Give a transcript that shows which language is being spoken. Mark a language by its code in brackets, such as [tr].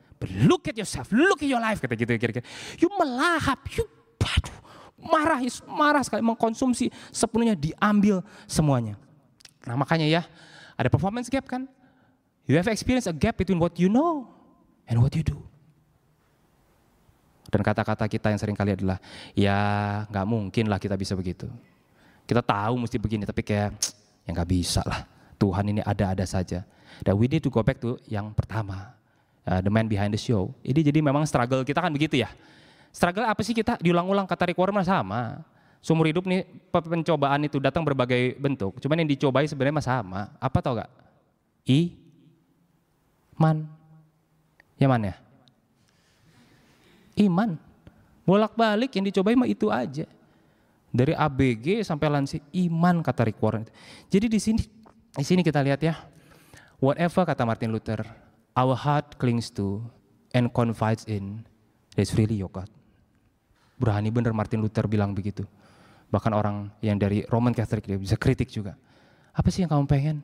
[en] But look at yourself, look at your life," [id] kata gitu kira-kira. [en] "You [id] melahap, [en] you, aduh, [id] marah, Yesus marah sekali, mengkonsumsi sepenuhnya, diambil semuanya. Nah makanya ya, ada performance gap kan? [en] You have experience a gap between what you know and what you do. [id] Dan kata-kata kita yang sering kali adalah, ya gak mungkin lah kita bisa begitu. Kita tahu mesti begini, tapi kayak ya gak bisa lah. Tuhan ini ada-ada saja. [en] That we need to go back to [id] yang pertama, [en] the man behind the show. [id] Ini jadi memang struggle kita kan begitu ya. Struggle apa sih kita? Diulang-ulang kata Rick Warren sama. Seumur hidup nih pencobaan itu datang berbagai bentuk. Cuman yang dicobai sebenarnya sama. Apa tau gak? Iman. Ya man ya? Iman. Bolak-balik yang dicobai mah itu aja. Dari ABG sampai lansia, iman kata Rick Warren. Jadi di sini kita lihat ya. [en] Whatever [id] kata [en] Martin Luther, our heart clings to and confides in, that's really your God. [id] Berani benar Martin Luther bilang begitu. Bahkan orang yang dari Roman Catholic dia bisa kritik juga. Apa sih yang kamu pengen?